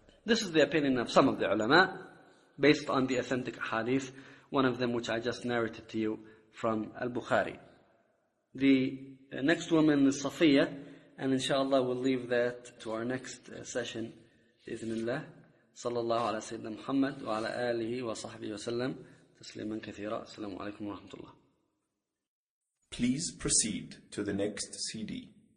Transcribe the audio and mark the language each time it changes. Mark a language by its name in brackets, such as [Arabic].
[English] This is the opinion of some of the ulama, based on the authentic hadith, one of them which I just narrated to you from Al-Bukhari. The next woman is Safiya, and inshallah we'll leave that to our next session, bi-ithnillah. [Arabic] صلى الله على سيدنا محمد وعلى آله وصحبه وسلم تسليما كثيرا السلام عليكم ورحمة الله [English] Please proceed to the next CD.